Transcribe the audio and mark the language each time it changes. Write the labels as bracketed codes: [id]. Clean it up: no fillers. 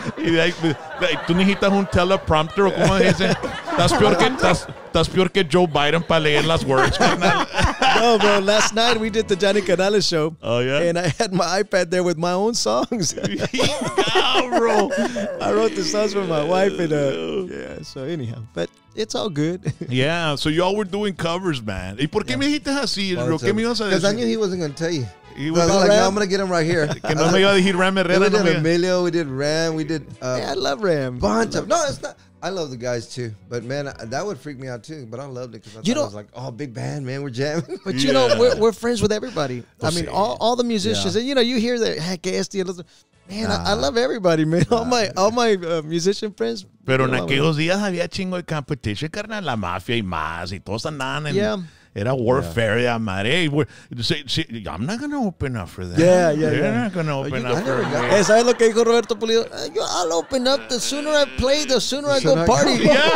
[es] Y ahí, tú necesitas un teleprompter o como dicen. Estás peor que Joe Biden para leer las words, carnal. [en] No, bro. Last night we did the Johnny Canales show. Oh, yeah. And I had my iPad there with my own songs. No, bro. I wrote the songs for my wife. And so anyhow, but it's all good. [es] Yeah. [en] So y'all were doing covers, man. [es] ¿Y por qué me dijiste así, bro? ¿Qué me ibas a decir? [en] Because I knew he wasn't going to tell you. He was like, no, I'm going to get him right here. [es] Que no me iba a decir Ram Herrera. [en] We did Emilio. We did Ram. We did. Yeah, I love Ram. Bunch of. No, it's not. I love the guys too, but man, that would freak me out too. But I loved it because I thought it was like, oh, big band, man, we're jamming. But you know, we're friends with everybody. I mean, all the musicians, and you know, you hear that, hey, que este, man, I love everybody, man. All my musician friends. [es] Pero en aquellos días había chingo de competition, carnal, la mafia y más y todos andaban en. [en] Yeah. era warfare. Yeah. Amare. I'm not going to open up for them. Yeah, they're not going to open up for me. [es] ¿Sabes lo que dijo Roberto Pulido? [en] I'll open up. The sooner I play, the sooner I go party.